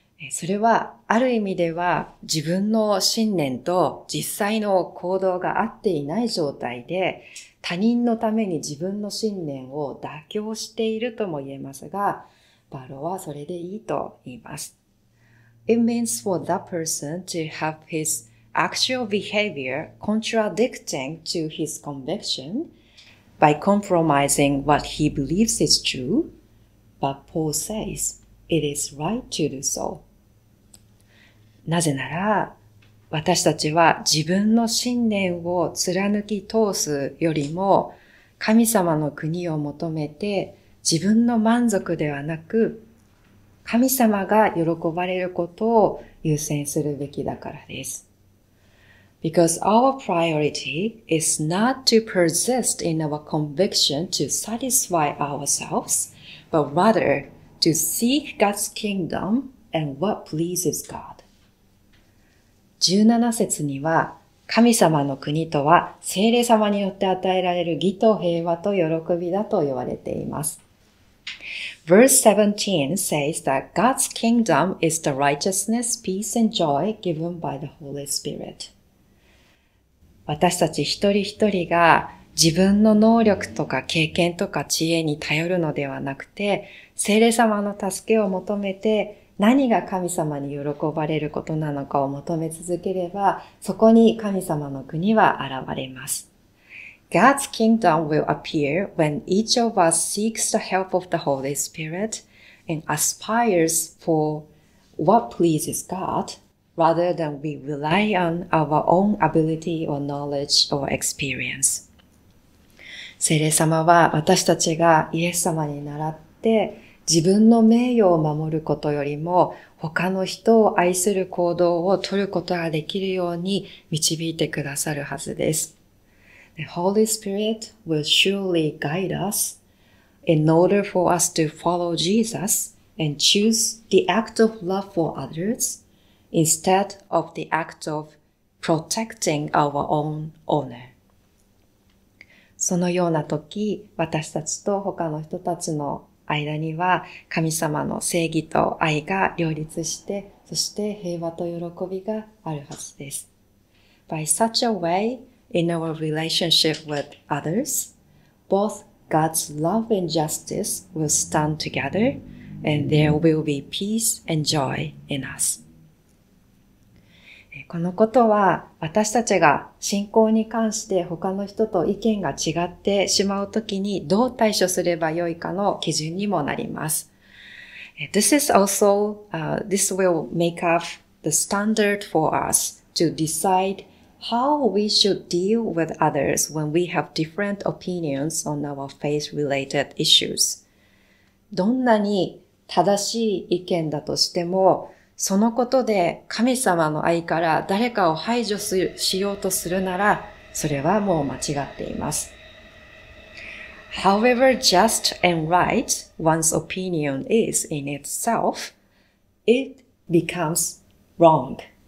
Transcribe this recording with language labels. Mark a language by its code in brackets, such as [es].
[ja] それはある意味では自分の信念と実際の行動が合っていない状態で他人のために自分の信念を妥協しているとも言えますが、バロはそれでいいと言います。 [en] It means for that person to have his actual behavior contradicting to his conviction by compromising what he believes is true, but Paul says it is right to do so. [ja] なぜなら、私たちは自分の信念を貫き通すよりも、神様の国を求めて自分の満足ではなく、神様が喜ばれることを優先するべきだからです。 [en] Because our priority is not to persist in our conviction to satisfy ourselves, but rather to seek God's kingdom and what pleases God. [ja] 17節には、神様の国とは聖霊様によって与えられる義と平和と喜びだと言われています。 [en] Verse 17 says that God's kingdom is the righteousness, peace and joy given by the Holy Spirit. [ja] 私たち一人一人が自分の能力とか経験とか知恵に頼るのではなくて、聖霊様の助けを求めて、何が神様に喜ばれることなのかを求め続ければ、そこに神様の国は現れます。 [en] God's kingdom will appear when each of us seeks the help of the Holy Spirit and aspires for what pleases God rather than we rely on our own ability or knowledge or experience. [ja] 聖霊様は私たちがイエス様に習って自分の名誉を守ることよりも他の人を愛する行動を取ることができるように導いてくださるはずです。 [en] The Holy Spirit will surely guide us in order for us to follow Jesus and choose the act of love for others instead of the act of protecting our own honor. [ja] そのような時、私たちと他の人たちの間には神様の正義と愛が両立して、そして平和と喜びがあるはずです。 [en] By such a way,In our relationship with others, both God's love and justice will stand together, and there will be peace and joy in us. [ja] このことは私たちが信仰に関して他の人と意見が違ってしまうときにどう対処すればよいかの基準にもなります。 [en] This is also, this will make up the standard for us to decide. How we should deal with others when we have different opinions on our faith-related issues. [ja] どんなに正しい意見だとしても、そのことで神様の愛から誰かを排除しようとするなら、それはもう間違っています。 [en] However just and right one's opinion is in itself, it becomes wrong.